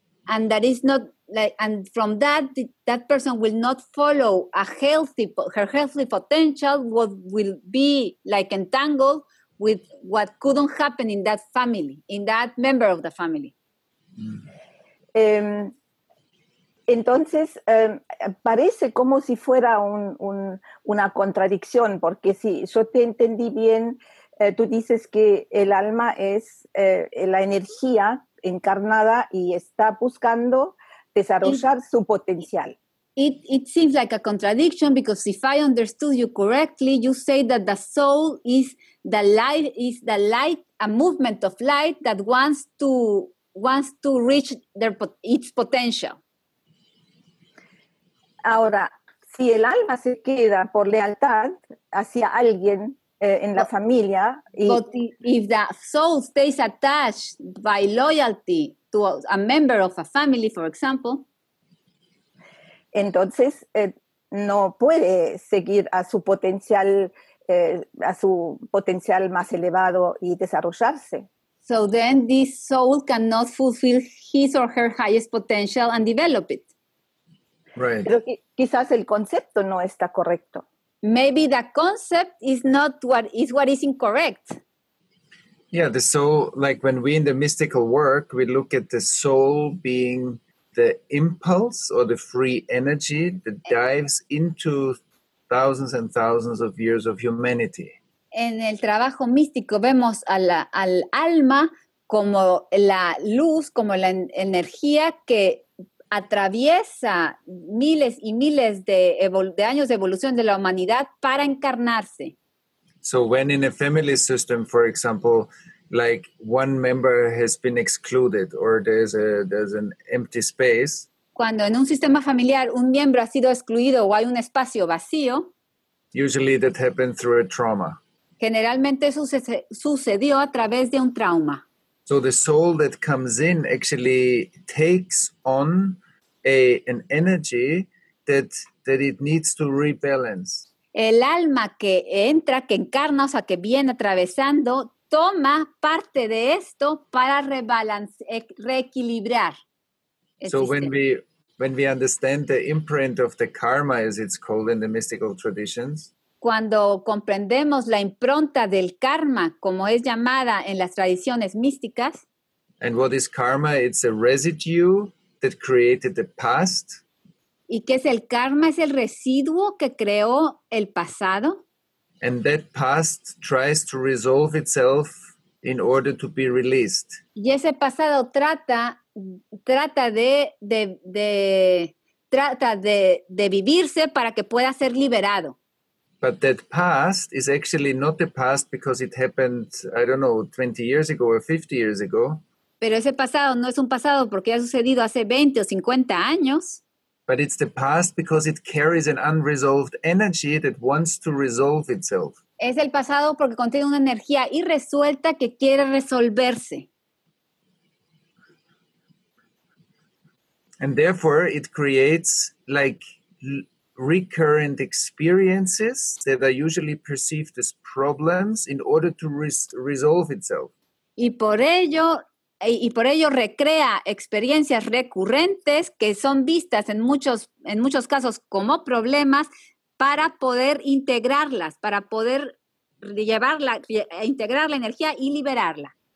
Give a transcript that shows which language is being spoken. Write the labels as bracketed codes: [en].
[en] And that is not like, and from that person will not follow her healthy potential. What will be like entangled with what couldn't happen in that family, in that member of the family. Mm-hmm. [es] Entonces parece como si fuera una contradicción, porque si yo te entendí bien, tú dices que el alma es la energía encarnada y está buscando desarrollar su potencial. [en] It seems like a contradiction, because if I understood you correctly, you say that the soul is the light, a movement of light that wants to reach its potential. [es] Ahora, si el alma se queda por lealtad hacia alguien en la familia. [en] But if the soul stays attached by loyalty to a member of a family, for example, [es] entonces no puede seguir a su potencial más elevado y desarrollarse. [en] So then this soul cannot fulfill his or her highest potential and develop it. Right. [es] Pero quizás el concepto no está correcto. [en] Maybe the concept is not what is incorrect. Yeah, the soul, like when we in the mystical work, we look at the soul being the impulse or the free energy that dives into thousands and thousands of years of humanity. [es] En el trabajo místico vemos al alma como la luz, como la energía que atraviesa miles y miles de años de evolución de la humanidad para encarnarse. [en] So when in a family system, for example, like one member has been excluded or there's an empty space. [es] Cuando en un sistema familiar un miembro ha sido excluido o hay un espacio vacío. [en] Usually that happened through a trauma. [es] Generalmente eso sucedió a través de un trauma. [en] So the soul that comes in actually takes on an energy that it needs to rebalance. [es] El alma que entra, que encarna, o sea, que viene atravesando, toma parte de esto para reequilibrar. [en] So when we understand the imprint of the karma, as it's called in the mystical traditions, [es] cuando comprendemos la impronta del karma, como es llamada en las tradiciones místicas. [en] And what is karma? It's a residue that created the past. [es] ¿Y qué es el karma? Es el residuo que creó el pasado. [en] And that past tries to resolve itself in order to be released. [es] Y ese pasado trata de vivirse para que pueda ser liberado. [en] But that past is actually not the past because it happened, I don't know, 20 years ago or 50 years ago. [es] Pero ese pasado no es un pasado porque ha sucedido hace 20 o 50 años. [en] But it's the past because it carries an unresolved energy that wants to resolve itself. [es] Es el pasado porque contiene una energía irresuelta que quiere resolverse. [en] And therefore, it creates like recurrent experiences that are usually perceived as problems in order to resolve itself. [es] Y por ello recrea experiencias recurrentes que son vistas en muchos casos como problemas para poder integrarlas, para poder integrar la energía y liberarla.